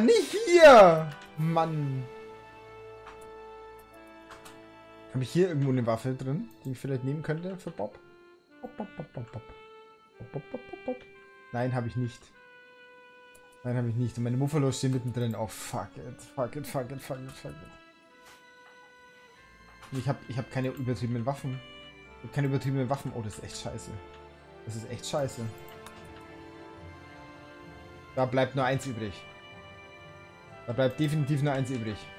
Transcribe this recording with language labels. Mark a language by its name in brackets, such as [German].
[German] Nicht hier. Mann. Habe ich hier irgendwo eine Waffe drin, die ich vielleicht nehmen könnte für Bob? Bob, Bob, Bob, Bob, Bob. Bob, Bob, Bob, Bob, Bob. Nein, habe ich nicht. Nein, habe ich nicht. Und meine Muffalo steht mittendrin. [English] Oh, fuck it. Fuck it, fuck it, fuck it, fuck it. [German] Ich hab keine übertriebenen Waffen. Ich hab keine übertriebenen Waffen. Oh, das ist echt scheiße. Das ist echt scheiße. Da bleibt nur eins übrig. Da bleibt definitiv nur eins übrig.